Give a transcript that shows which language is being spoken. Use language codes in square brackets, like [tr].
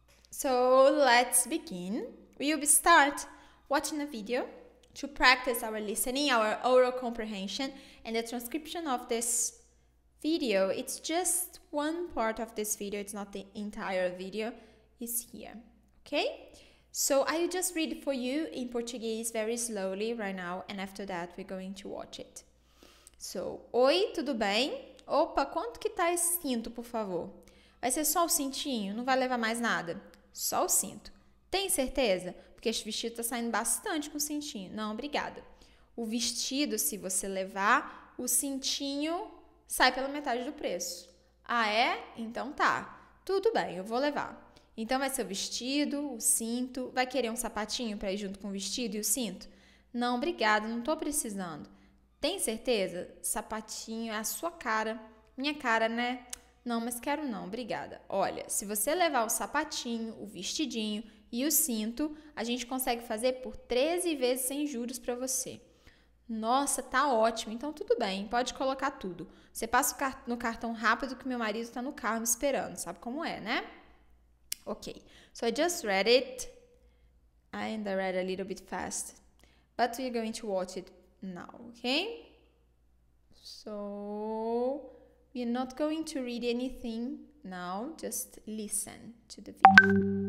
[en] So let's begin. We will start watching a video to practice our listening, our oral comprehension, and the transcription of this video. It's just one part of this video, it's not the entire video, it's here, okay? So I will just read for you in Portuguese very slowly right now, and after that we're going to watch it. [pt] So, oi, tudo bem? Opa, quanto que tá esse cinto, por favor? Vai ser só o cintinho, não vai levar mais nada? Só o cinto. Tem certeza? Porque esse vestido tá saindo bastante com o cintinho. Não, obrigada. O vestido, se você levar, o cintinho sai pela metade do preço. Ah, é? Então tá. Tudo bem, eu vou levar. Então vai ser o vestido, o cinto. Vai querer um sapatinho para ir junto com o vestido e o cinto? Não, obrigada, não tô precisando. Tem certeza? Sapatinho é a sua cara. Minha cara, né? Não, mas quero não, obrigada. Olha, se você levar o sapatinho, o vestidinho e o cinto, a gente consegue fazer por 13 vezes sem juros para você. Nossa, tá ótimo. Então tudo bem, pode colocar tudo. Você passa no cartão rápido que meu marido está no carro me esperando, sabe como é, né? [en] Ok, so I just read it. I ended read a little bit fast, but we're going to watch it now, okay? So we're not going to read anything now, just listen to the video.